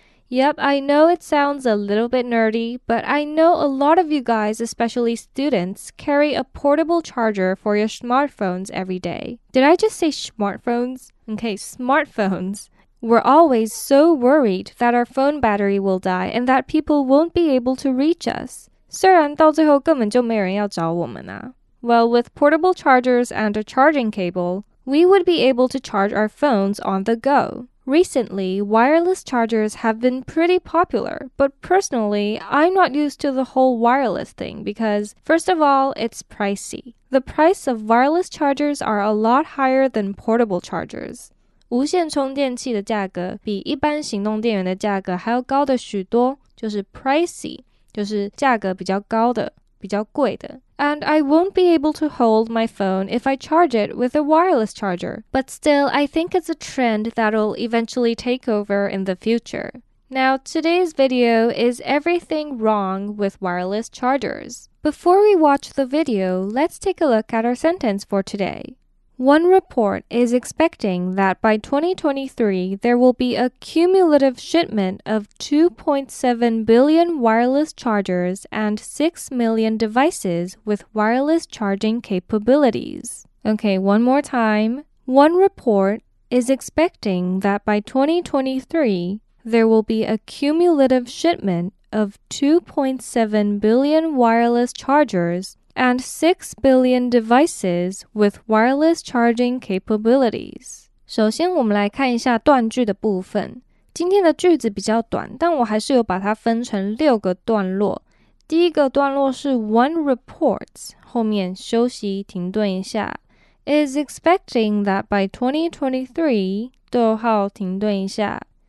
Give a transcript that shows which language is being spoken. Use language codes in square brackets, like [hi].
[en] Yep, I know it sounds a little bit nerdy, but I know a lot of you guys, especially students, carry a portable charger for your smartphones every day. Did I just say smartphones? Okay, smartphones. We're always so worried that our phone battery will die and that people won't be able to reach us. [zh] 虽然到最后根本就没人要找我们啊。 [en] Well, with portable chargers and a charging cable, we would be able to charge our phones on the go. Recently, wireless chargers have been pretty popular, but personally, I'm not used to the whole wireless thing because, first of all, it's pricey. The price of wireless chargers are a lot higher than portable chargers. [zh] 无线充电器的价格比一般行动电源的价格还要高的许多，就是 pricey, 就是价格比较高的，比较贵的。 [en] And I won't be able to hold my phone if I charge it with a wireless charger. But still, I think it's a trend that'll eventually take over in the future. Now, today's video is everything wrong with wireless chargers. Before we watch the video, let's take a look at our sentence for today. One report is expecting that by 2023, there will be a cumulative shipment of 2.7 billion wireless chargers and 6 million devices with wireless charging capabilities. Okay, one more time. One report is expecting that by 2023, there will be a cumulative shipment of 2.7 billion wireless chargers and 6 billion devices with wireless charging capabilities. [zh] 首先我们来看一下断句的部分。今天的句子比较短，但我还是有把它分成六个段落。第一个段落是 [en] one reports, [zh] 后面休息停顿一下。 [en] Is expecting that by 2023, [zh] 逗号停顿一下。